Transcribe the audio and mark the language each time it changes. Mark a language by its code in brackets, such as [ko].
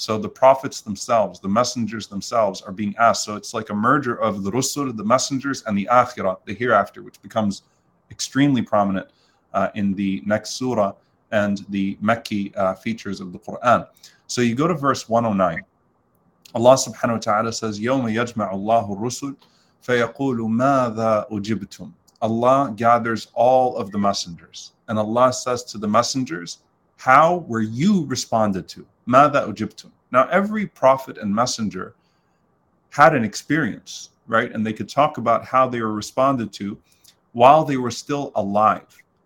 [en] So the prophets themselves, the messengers themselves are being asked. So it's like a merger of the rusul, the messengers, and the akhirah, the hereafter, which becomes extremely prominent in the next surah and the Mekki features of the Quran. So you go to verse 109. Allah subhanahu wa ta'ala says, [ar] يَوْمَ يَجْمَعُ اللَّهُ الرُّسُلُ فَيَقُولُ مَاذَا أُجِبْتُمْ. [en] Allah gathers all of the messengers. And Allah says to the messengers, how were you responded to? [ar] مَاذَا أُجِبْتُمْ. [en] Now, every prophet and messenger had an experience, right? And they could talk about how they were responded to while they were still alive.